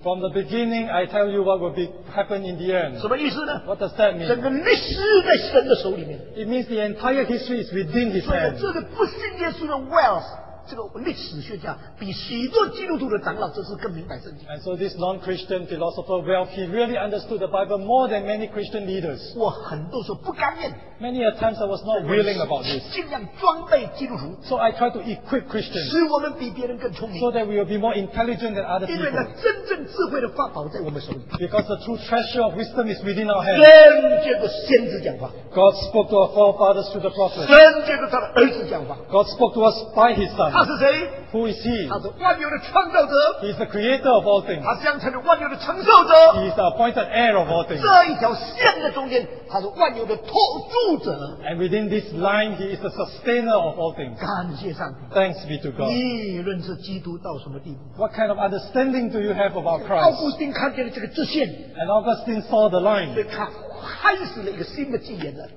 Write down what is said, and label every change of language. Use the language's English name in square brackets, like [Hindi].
[English] From the beginning, I tell you what will be happen in the end. [Chinese] 什么意思呢? [English] What does that mean? [Chinese] 整个历史在神的手里面。 [English] It means the entire history is within his hand. [Chinese] 这个不信耶稣的 wealth, 这个历史学家比许多基督徒的长老，这是更明白圣经。 [English] And so this non-Christian philosopher, well, he really understood the Bible more than many Christian leaders. [Chinese] 我很多时候不甘愿。 [English] Many a times I was not willing about this. [Chinese] 尽量装备基督徒。 [English] So I tried to equip Christians. [Chinese] 使我们比别人更聪明。 [English] So that we will be more intelligent than other people. [Chinese] 因为那真正智慧的法宝在我们手里。 [English] Because the true treasure of wisdom is within our hands. [Chinese] 神借着先知讲话。 [English] God spoke to our forefathers through the prophets. [Chinese] 神借着他的儿子讲话。 [English] God spoke to us by his son. [Chinese] 他是谁? [English] Who is he? [Chinese] 他是万有的创造者。 [English] He is the creator of all things. [Chinese] 他将成了万有的承受者。 [English] He is the appointed heir of all things. [Chinese] 这一条线的中间, 他是万有的托住。 [English] And within this line, he is the sustainer of all things. [Chinese] 感谢上帝, [English] thanks be to God. [Chinese] 你论是基督到什么地步? [English] What kind of understanding do you have about Christ? [Chinese] 奥古斯丁看见了这个直线, [English] and Augustine saw the line. [Chinese] 开始了一个新的纪元的,